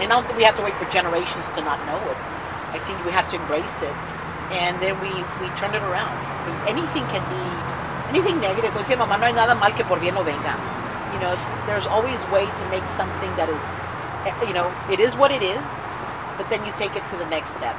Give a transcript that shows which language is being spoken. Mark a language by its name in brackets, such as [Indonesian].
[English] And I don't think we have to wait for generations to not know it. I think we have to embrace it. And then we turn it around. Because anything can be, anything negative. [Spanish] Pues, mamá, no hay nada mal que por bien no venga. [English] You know, there's always a way to make something that is, you know, it is what it is, but then you take it to the next step.